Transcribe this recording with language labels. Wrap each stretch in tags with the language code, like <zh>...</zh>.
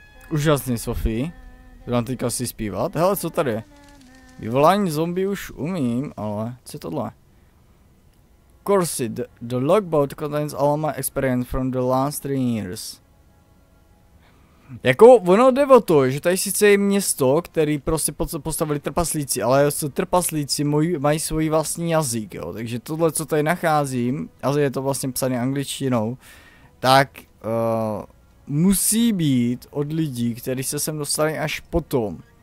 <cs>Úžasný, Sofie. Jdu vám teďka si zpívat. Hele, co tady je? Vyvolání zombie už umím, ale co je tohle?</cs> <en>Corsi, the logboat contains all my experience from the last 3 years.</en> <cs>Jako, ono jde o to, že tady sice je město, který prostě postavili trpaslíci, ale trpaslíci mají svůj vlastní jazyk, jo. Takže tohle, co tady nacházím, a je to vlastně psané angličtinou, tak musí být od lidí, kteří se sem dostali až potom.</cs>